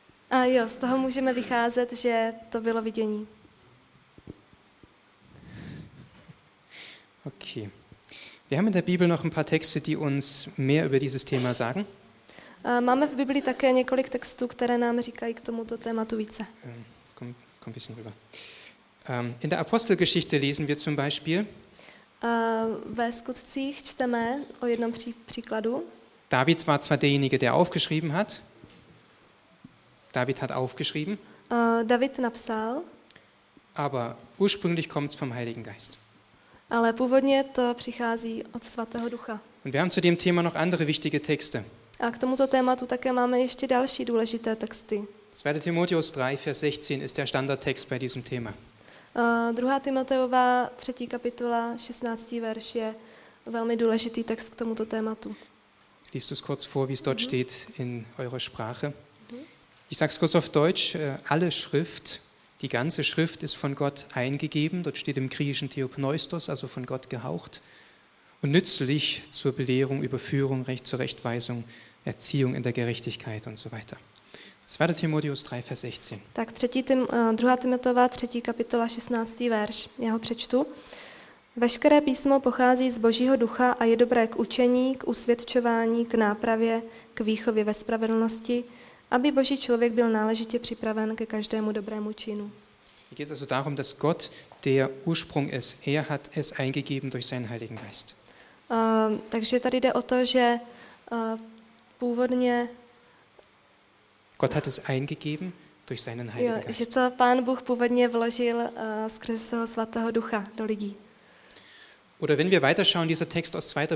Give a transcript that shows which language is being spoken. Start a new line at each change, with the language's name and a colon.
Czech: A jo, z toho můžeme vycházet, že to bylo vidění. Okay.
German: Wir haben in der Bibel noch ein paar Texte, die uns mehr über dieses Thema sagen.
Czech: Máme v Biblii také několik textů, které nám říkají k tomuto tématu více.
German: Komm ein bisschen rüber. In der Apostelgeschichte lesen wir zum Beispiel.
Czech: Ve Skutcích čteme o jednom příkladu.
German: David war zwar derjenige, der aufgeschrieben hat. David hat aufgeschrieben.
Czech: David napsal.
German: Aber ursprünglich kommt es vom Heiligen Geist.
Czech: Ale původně to přichází od Svatého Ducha.
German: Und wir haben zu dem Thema noch andere wichtige Texte.
Czech: A k tomuto tématu také máme ještě další důležité texty.
German: 2. Timotheus 3, Vers 16 ist der Standardtext bei diesem Thema.
Czech: 2. Timoteova 3. kapitola 16. verš je velmi důležitý text k tomuto tématu.
German: Liest du es kurz vor, wie es dort steht in eurer Sprache? Ich sage es kurz auf Deutsch, alle Schrift, die ganze Schrift ist von Gott eingegeben, dort steht im Griechischen Theopneustos, also von Gott gehaucht, und nützlich zur Belehrung, Überführung, Recht zur Rechtweisung, Erziehung in der Gerechtigkeit und so weiter. 2. Timotheus 3, Vers 16.
Czech: Tak 2. Timoteova 3. kapitola 16. verš, já ho přečtu. Veškeré písmo pochází z Božího ducha a je dobré k učení, k usvědčování, k nápravě, k výchově ve spravedlnosti, aby Boží člověk byl náležitě připraven ke každému dobrému činu.
German: Geht es also darum, dass Gott der Ursprung ist. Er hat es eingegeben durch seinen Heiligen Geist.
Czech: Takže tady jde o to, že původně
German: Gott hat es eingegeben durch seinen Heiligen Geist.
Czech: Že to Pán Bůh původně vložil skrze svého svatého ducha do lidí.
German: Oder wenn wir weiterschauen, dieser Text aus 2.